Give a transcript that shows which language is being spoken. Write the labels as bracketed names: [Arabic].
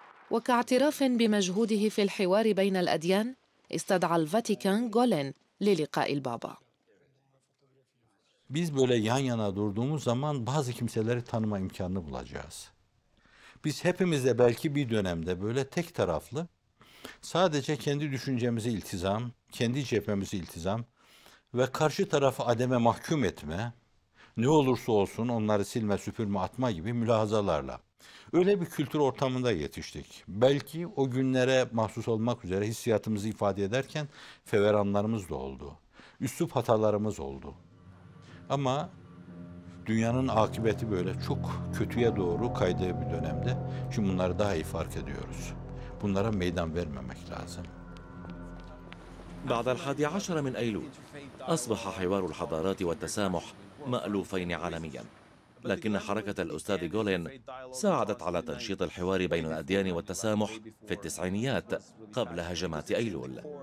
[Arabic] وكاعتراف بمجهوده في الحوار بين الأديان، استدعى الفاتيكان غولين للقاء البابا. [Turkish] Biz böyle yan yana durduğumuz zaman bazı kimseleri tanıma imkanını bulacağız. Biz hepimiz de belki bir dönemde böyle tek taraflı sadece kendi düşüncemize iltizam, kendi cephemize iltizam ve karşı tarafı ademe mahkum etme, ne olursa olsun onları silme süpürme atma gibi mülahazalarla öyle bir kültür ortamında yetiştik. Belki o günlere mahsus olmak üzere hissiyatımızı ifade ederken feveranlarımız da oldu, üslup hatalarımız oldu. Ama dünyanın akıbeti böyle çok kötüye doğru kaydığı bir dönemde şimdi bunları daha iyi fark ediyoruz. Bunlara meydan vermemek lazım. [Arabic] بعد الحادي عشر من أيلول أصبح حوار الحضارات والتسامح مألوفين عالميا، لكن حركة الأستاذ غولين ساعدت على تنشيط الحوار بين الأديان والتسامح في التسعينيات قبل هجمات أيلول.